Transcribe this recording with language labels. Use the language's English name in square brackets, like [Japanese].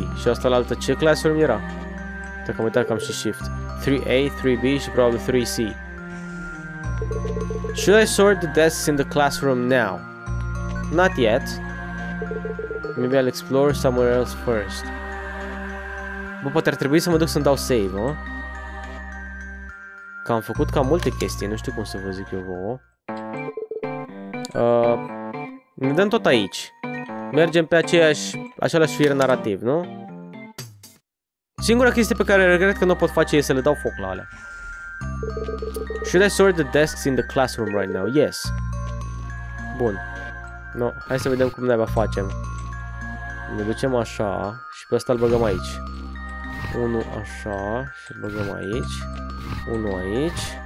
[Romanian] Și asta la altă ce classroom era? Dacă am uitat că am și shift. 3A, 3B și probabil 3C. [English] Should I sort the desks in the classroom now? Not yet. Maybe I'll explore somewhere else first. [Romanian] Bă, poate ar trebui să mă duc să-mi dau save, mă? Că am făcut cam multe chestii, nu știu cum să vă zic eu vouă. Ne dăm tot aici. Mergem pe același fir narrativ, nu? Singura chestie pe care regret că nu pot face e să le dau foc la alea. [English] Should I sort the desks in the classroom right now? Yes. [Romanian] Bun. No, hai să vedem cum neva facem. Ne ducem așa și pe ăsta îl băgăm aici. Unul așa și îl băgăm aici. Unul aici.